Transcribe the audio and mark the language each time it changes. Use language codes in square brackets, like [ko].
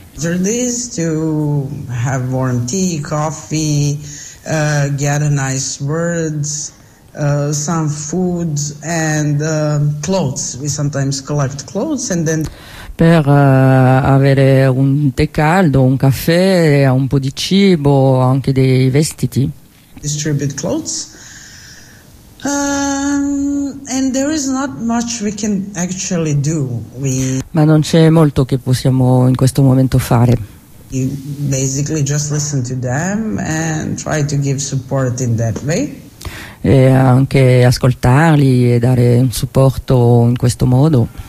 [en] After this, to have warm tea, coffee, get a nice words, some food and clothes. We sometimes collect clothes and then. [it] Per avere un tè caldo, un caffè, un po' di cibo, anche dei vestiti. [en] Distribute clothes. And there is not much we can actually do. [it] Ma non c'è molto che possiamo in questo momento fare. [en] You basically just listen to them and try to give support in that way. [it] E anche ascoltarli e dare un supporto in questo modo.